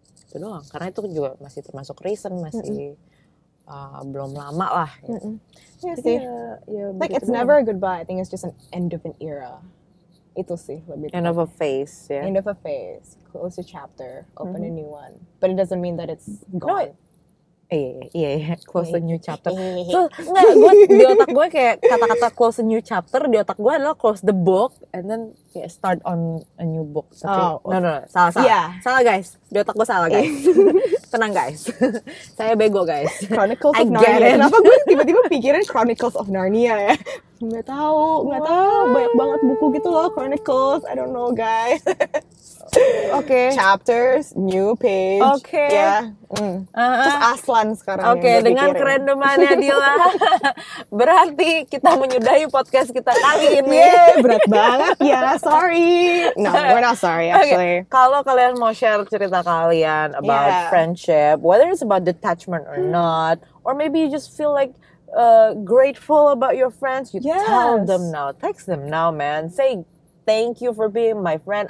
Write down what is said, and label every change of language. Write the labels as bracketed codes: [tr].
[id] Itu doang, karena itu juga masih termasuk recent, masih belum lama lah. Mm-hmm. Ya sih, [en] like it's never a goodbye, I think it's just an end of an era. [id] Itu sih lebih. [en] End of a phase, ya. End of a phase, close a chapter, open a new one. But it doesn't mean that it's gone. Close a new chapter. [id] Di otak gue kayak kata-kata [en] close a new chapter, [id] di otak gue adalah [en] close the book, and then kayak start on a new book. [id] Salah guys. Di otak gue salah guys. Tenang guys. Saya bego guys. Chronicles of Narnia. Kenapa gue tiba-tiba pikirin Chronicles of Narnia ya? Gak tahu. Banyak banget buku gitu loh, Chronicles. [en] I don't know guys. Okay. Chapters, new page. Okay. [id] Yeah. Mm. Terus Aslan sekarang. Okay, dengan kerendemannya Dila. Berarti kita menyudahi podcast kita kali ini. Berat banget ya. [en] Sorry. No, we're not sorry actually. Okay. [id] Kalau kalian mau share cerita kalian [en] about friendship, whether it's about detachment or not, or maybe you just feel like grateful about your friends, you tell them now. Text them now, man. Say thank you for being my friend.